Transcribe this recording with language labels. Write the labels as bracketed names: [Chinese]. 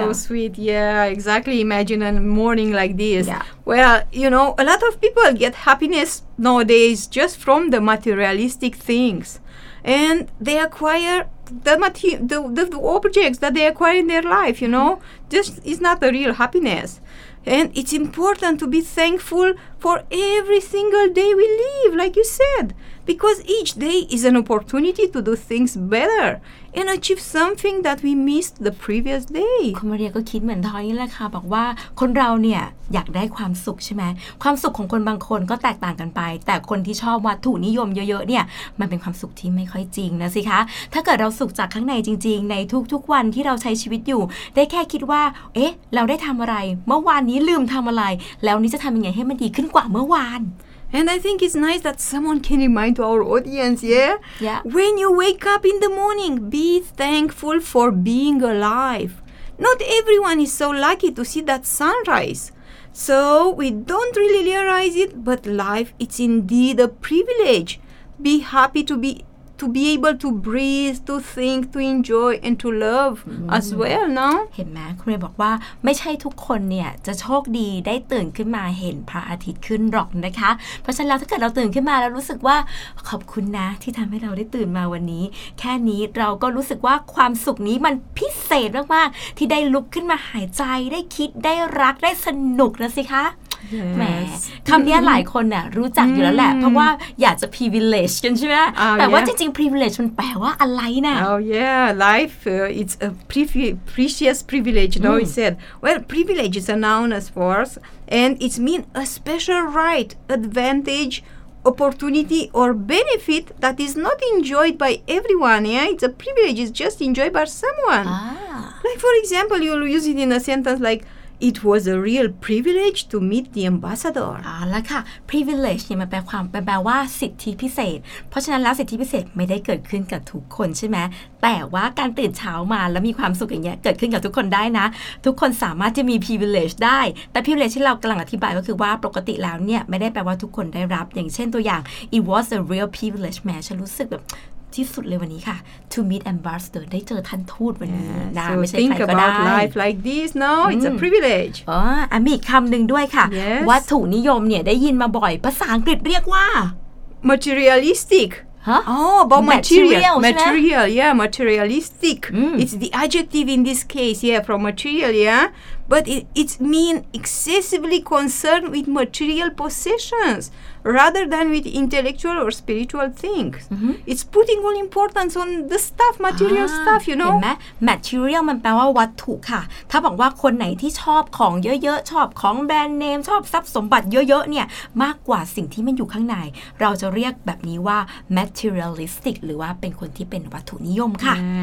[English] so sweet yeah exactly imagine a morning like this yeah. well you know a lot of people get happiness nowadays just from the materialistic things and they acquire the objects that they acquire in their life you know just is not the real happinessAnd it's important to be thankful for every single day we live, like you said, because each day is an opportunity to do things better and achieve something that we missed the previous day. [Thai] คุณมาเรียก็คิดเหมือนทอยนี่แหละค่ะบอกว่าคนเราเนี่ยอยากได้ความสุขใช่ไหมความสุขของคนบางคนก็แตกต่างกันไปแต่คนที่ชอบวัตถุนิยมเยอะๆเนี่ยมันเป็นความสุขที่ไม่ค่อยจริงนะสิคะถ้าเกิดเราสุขจากข้างในจริงๆในทุกๆวันที่เราใช้ชีวิตอยู่ได้แค่คิดว่าเอ๊ะเราได้ทำอะไรเมื่อวานนี้ลืมทำอะไรแล้วนี้จะทำยังไงให้มันดีขึ้นกว่าเมื่อวาน [English] And I think it's nice that someone can remind to our audience, yeah? When you wake up in the morning, be thankful for being alive. Not everyone is so lucky to see that sunrise. So, we don't really realize it, but life is indeed a privilege. Be happy to be able to breathe, to think, to enjoy, and to love as well, no? [Thai] เห็นไหมคุณเรียนบอกว่าไม่ใช่ทุกคนเนี่ยจะโชคดีได้ตื่นขึ้นมาเห็นพระอาทิตย์ขึ้นหรอกนะคะเพราะฉะนั้นถ้าเกิดเราตื่นขึ้นมาแล้วรู้สึกว่าขอบคุณนะที่ทำให้เราได้ตื่นมาวันนี้แค่นี้เราก็รู้สึกว่าความสุขนี้มันพิเศษมากๆที่ได้ลุกขึ้นมาหายใจได้คิดได้รักได้สนุกนะสิคะ [English] Yes. [Thai] แหมคำนี้หลายคนน่ะรู้จักอยู่แล้วแหละเพราะว่าอยากจะ privilege กันใช่ไหม แต่ว่าจริงๆ privilege มันแปลว่าอะไรน่ะ [English] Oh yeah life it's a precious privilege no he said well privilege is a noun as words and it means a special right advantageOpportunity or benefit that is not enjoyed by everyone. Yeah, it's a privilege. It's just enjoyed by someone. Ah. Like for example, you'll use it in a sentence like, it was a real privilege to meet the ambassador. [Thai] อ่าล่ะค่ะ privilege เนี่ยมันแปลความแปลว่าสิทธิพิเศษเพราะฉะนั้นแล้วสิทธิพิเศษไม่ได้เกิดขึ้นกับทุกคนใช่ไหมแต่ว่าการตื่นเช้ามาแล้วมีความสุขอย่างเงี้ยเกิดขึ้นกับทุกคนได้นะทุกคนสามารถจะมี privilege ได้แต่ privilege ที่เรากำลังอธิบายก็คือว่าปกติแล้วเนี่ยไม่ได้แปลว่าทุกคนได้รับอย่างเช่นตัวอย่าง [English] it was a real privilege [Thai] แม้ฉันรู้สึกแบบที่สุดเลยวันนี้ค่ะ [English] to meet ambassador [Thai] ได้เจอท่านทูตวันนี้ [English] yeah. [Thai] นะ [English] so [Thai] ไม่ใช่ใครก็ได้ [English] think about life like this no it's a privilege [Thai] อ๋อมีคำหนึ่งด้วยค่ะ [English] yes. [Thai] วัตถุนิยมเนี่ยได้ยินมาบ่อยภาษาอังกฤษเรียกว่า [English] materialistic Huh? Oh, material, right? Yeah, materialistic. Mm. It's the adjective in this case, yeah, from material, yeah. But it means excessively concerned with material possessions rather than with intellectual or spiritual things. Mm-hmm. It's putting all importance on the stuff, material stuff, you know. [Thai] เห็นไหม material มันแปลว่าวัตถุค่ะถ้าบอกว่าคนไหนที่ชอบของเยอะๆชอบของแบรนด์เนมชอบทรัพย์สมบัติเยอะๆเนี่ยมากกว่าสิ่งที่มันอยู่ข้างในเราจะเรียกแบบนี้ว่า materialistic หรือว่าเป็นคนที่เป็นวัตถุนิยมค่ะ